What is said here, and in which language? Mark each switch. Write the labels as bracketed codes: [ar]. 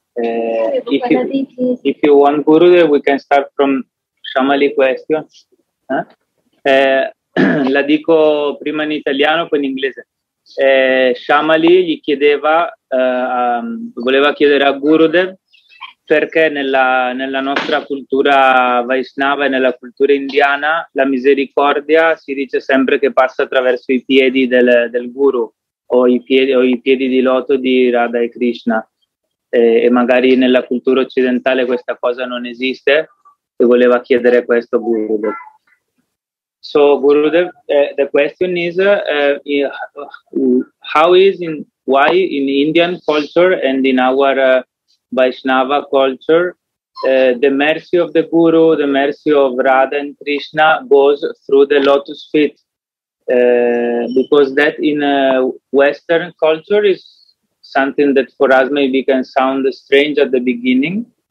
[en] If you want, Gurudev, we can start from Shamali question. [it] La dico prima in italiano, poi in inglese. Shamali gli chiedeva, voleva chiedere a Gurudev perché nella nostra cultura Vaishnava e nella cultura indiana la misericordia si dice sempre che passa attraverso i piedi del Guru o i piedi di loto di Radha e Krishna. E magari nella cultura occidentale questa cosa non esiste, e voleva chiedere questo a Gurudev. [en] So Gurudev, the question is, why in Indian culture and in our Vaishnava culture, the mercy of the Guru, the mercy of Radha and Krishna goes through the lotus feet, because that in Western culture is something that for us maybe can sound strange at the beginning.